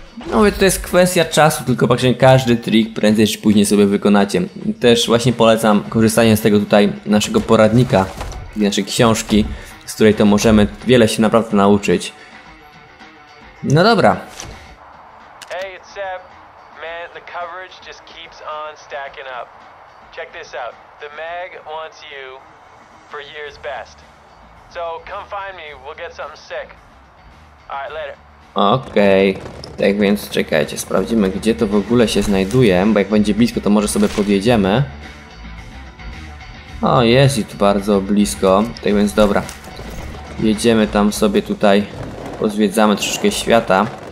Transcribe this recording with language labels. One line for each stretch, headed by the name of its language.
Polish: No i to jest kwestia czasu, tylko patrzcie, każdy trik prędzej czy później sobie wykonacie. Też właśnie polecam korzystanie z tego tutaj naszego poradnika, naszej książki, z której to możemy wiele się naprawdę nauczyć. No dobra.
English: Hey, it's Seb. Man, the coverage just keeps on stacking up. Check this out. The Meg wants you for year's best. So come find me, we'll get something sick.
Polish: Okej, okay. Tak więc czekajcie, sprawdzimy gdzie to w ogóle się znajduje, bo jak będzie blisko, to może sobie podjedziemy. O, jest i tu bardzo blisko, tak więc dobra. Jedziemy tam sobie tutaj, pozwiedzamy troszeczkę świata.